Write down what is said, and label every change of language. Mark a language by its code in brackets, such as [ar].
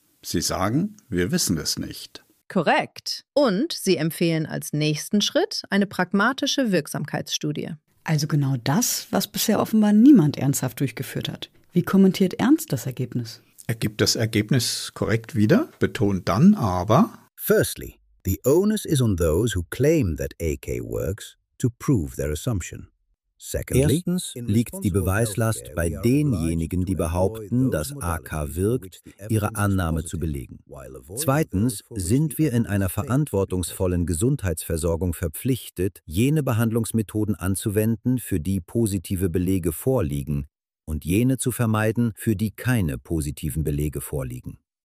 [de] Sie sagen, wir wissen es nicht. Korrekt. Und Sie empfehlen als nächsten Schritt eine pragmatische Wirksamkeitsstudie. Also genau das, was bisher offenbar niemand ernsthaft durchgeführt hat. Wie kommentiert Ernst das Ergebnis? Er gibt das Ergebnis korrekt wieder, betont dann aber: [en] Firstly, the onus is on those who claim that AK works to prove their assumption. Secondly, [de] erstens liegt die Beweislast bei denjenigen, die behaupten, dass AK wirkt, ihre Annahme zu belegen. Zweitens sind wir in einer verantwortungsvollen Gesundheitsversorgung verpflichtet, jene Behandlungsmethoden anzuwenden, für die positive Belege vorliegen, und jene zu vermeiden, für die keine positiven Belege vorliegen.